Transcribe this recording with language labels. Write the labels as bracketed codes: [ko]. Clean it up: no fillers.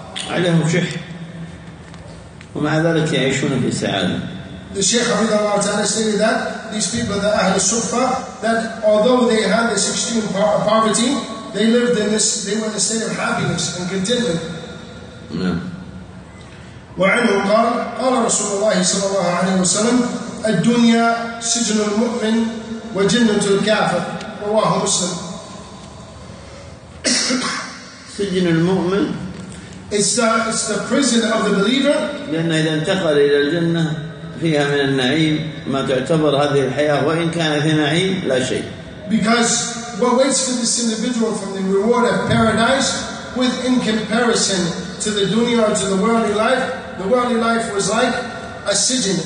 [ar] عليهم شح ومع ذلك يعيشون في سعادة. [en] The Shaykh Hafidh Allah Ta'ala stated that these people, the Ahl al-Suffa, that although they had this extreme poverty, they lived in this, they were in a state of happiness and contentment. [ar] وعنه قال قال رسول الله صلى الله عليه وسلم الدنيا سجن المؤمن وجنة الكافر رواه مسلم. سجن المؤمن. [en] It's the prison of the believer. [ar] لأن إذا انتقل إلى الجنة فيها من النعيم ما تعتبر هذه الحياة وإن كانت في نعيم لا شيء. [en] Because what waits for this individual from the reward of paradise, with in comparison to the dunya or to the worldly life was like a sijin.